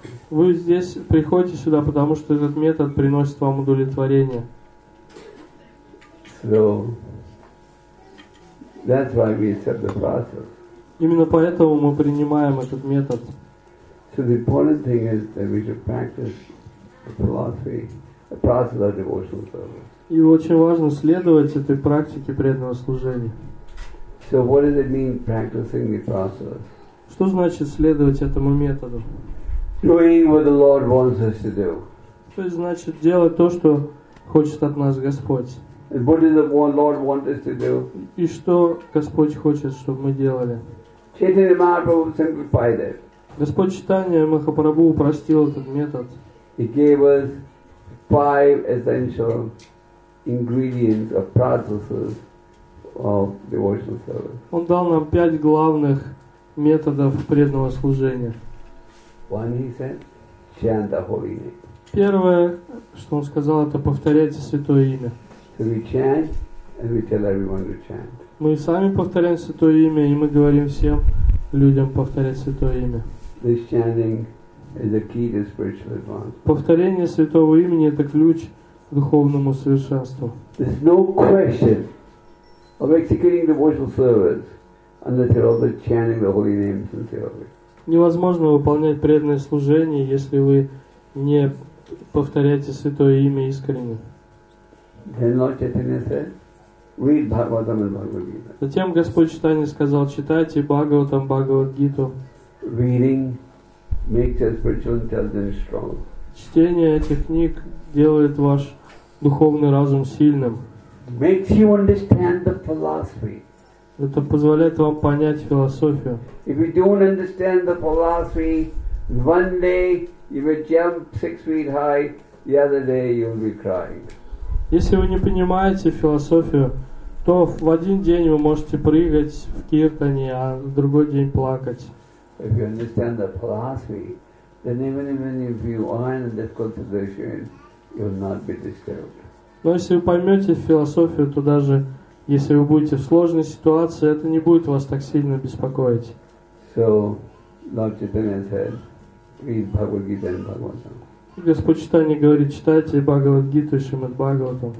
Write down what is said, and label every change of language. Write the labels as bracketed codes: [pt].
[ru] Вы здесь приходите сюда, потому что этот метод приносит вам удовлетворение. [en] So, that's why we accept the process. [ru] Именно поэтому мы принимаем этот метод. [en] So the important thing is that we should practice the philosophy, the process of devotional service. [ru] И очень важно следовать этой практике преданного служения. [en] So what does it mean practicing the process? [ru] Что значит следовать этому методу? [en] Doing what the Lord wants us to do. [ru] То есть значит делать то, что хочет от нас Господь. [en] And what does the Lord want us to do? [ru] И что Господь хочет, чтобы мы делали? [en] Chaitanya Mahaprabhu simplified it. [ru] Господь Чайтанья Махапрабху упростил этот метод. [en] He gave us five essential ingredients of processes of devotional service. [ru] Он дал нам пять главных методов преданного служения. [en] One, he said, chant the holy name. [ru] Первое, что он сказал, это повторяйте святое имя. [en] So we chant and we tell everyone to chant. [ru] Мы сами повторяем святое имя, и мы говорим всем людям повторять святое имя. [en] This chanting is the key to spiritual advancement. [ru] Повторение святого имени это ключ к духовному совершенству. [en] There's no question of executing devotional service unless you're also chanting the holy name sincerely. [ru] Невозможно выполнять преданное служение, если вы не повторяете святое имя искренне. [en] Then Lord Chaitanya said, read Bhagavatam and Bhagavad Gita. [ru] Затем Господь Чайтанья сказал, читайте Бхагаватам, Бхагавад Гиту. [en] Reading makes your spiritual intelligence strong. [ru] Чтение этих книг делает ваш духовный разум сильным. [en] Makes you understand the philosophy. [ru] Это позволяет вам понять философию. [en] If you don't understand the philosophy, one day you will jump 6 feet high, the other day you will be crying. [ru] Если вы не понимаете философию, то в один день вы можете прыгать в киртане, а в другой день плакать. [en] If you understand the philosophy, then even if you are in a difficult position, you will not be disturbed. [ru] Но если вы поймете философию, то даже если вы будете в сложной ситуации, это не будет вас так сильно беспокоить. [en] So, Lord Chaitanya said, read Bhagavad Gita and Bhagavatam. [ru] Господь Чайтанья говорит, читайте Бхагавад Гиту и Шримад Бхагаватам.